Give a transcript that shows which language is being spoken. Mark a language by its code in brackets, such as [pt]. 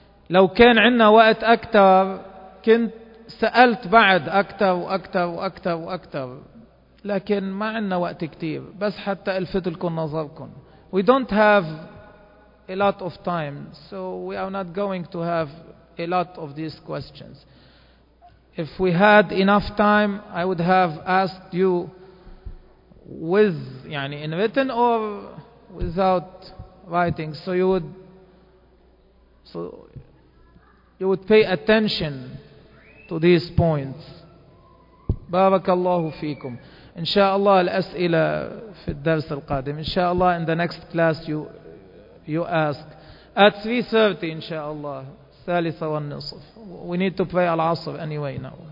[ar] لو كان عندنا وقت أكثر كنت سألت بعد أكثر وأكثر وأكثر وأكثر، لكن ما عندنا وقت كتير. بس حتى ألفت لكم نظركم. [en] We don't have a lot of time, so we are not going to have a lot of these questions. If we had enough time, I would have asked you with, يعني in written or without writing, so you would pay attention to these points. [ar] بارك الله فيكم. إن شاء الله الأسئلة في الدرس القادم. [en] إن شاء الله in the next class you ask at 3:30 إن شاء الله. [ar] ثالثة والنصف. [en] We need to pray العصر anyway now.